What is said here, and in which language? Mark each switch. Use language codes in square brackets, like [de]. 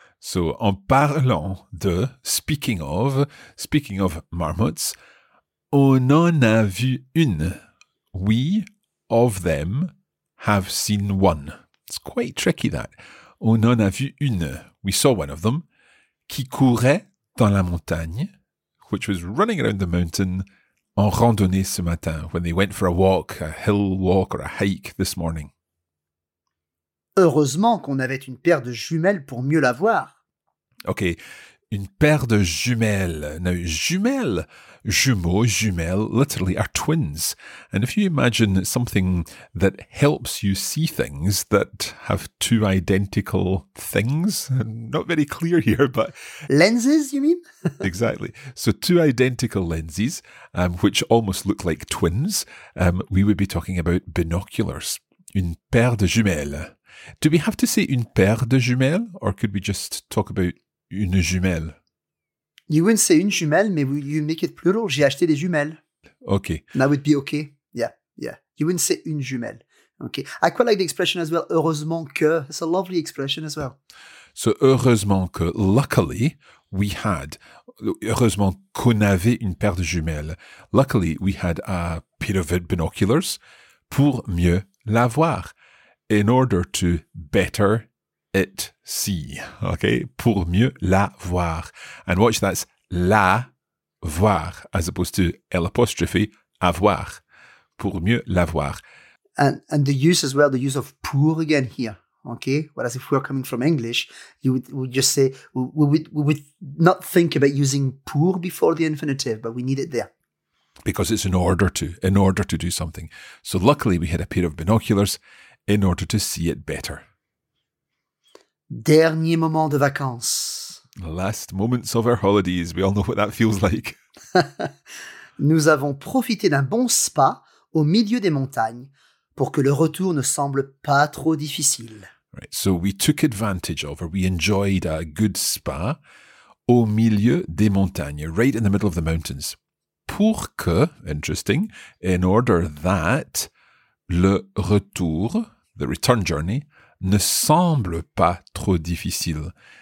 [fr] So, en parlant de, [en] speaking of marmots, [fr] on en a vu une. Oui. [en] Of them have seen one. It's quite tricky that. [fr] On en a vu une. [en] We saw one of them. [fr] Qui courait dans la montagne. [en] Which was running around the mountain. [fr] En randonnée ce matin. [en] When they went for a walk. A hill walk or a hike this morning. [fr] Heureusement qu'on avait une paire de jumelles pour mieux la voir. [en] Okay. Une paire de jumelles. Now, jumelles. Jumeaux, jumelles, literally, are twins. And if you imagine something that helps you see things that have two identical things, not very clear here, but... Lenses, you mean? Exactly. So two identical lenses, which almost look like twins, we would be talking about binoculars. Une paire de jumelles. Do we have to say une paire de jumelles, or could we just talk about une jumelle? You wouldn't say une jumelle, mais you make it plural. [fr] J'ai acheté des jumelles. [en] OK. That would be OK. Yeah, yeah. You wouldn't say une jumelle. OK. I quite like the expression as well, heureusement que. It's a lovely expression as well. So, heureusement que, luckily, we had, [fr] heureusement qu'on avait une paire de jumelles. [en] Luckily, we had a pair of binoculars [fr] pour mieux la voir. [en] In order to better it see, okay, [fr] pour mieux la voir. [en] And watch, that's la voir, as opposed to l'apostrophe, avoir, pour mieux la voir. And the use as well, the use of pour again here, okay? Whereas if we're coming from English, you would just say, we would not think about using pour before the infinitive, but we need it there. Because it's in order to do something. So luckily we had a pair of binoculars in order to see it better. [fr] Dernier moment de vacances. [en] Last moments of our holidays. We all know what that feels like. [fr] Nous avons profité d'un bon spa au milieu des montagnes pour que le retour ne semble pas trop difficile. [en] Right, so we took advantage of, or we enjoyed a good spa [fr] au milieu des montagnes, [en] right in the middle of the mountains. Pour que, interesting, in order that, [fr] le retour, [en] the return journey, [fr] ne semble pas trop difficile.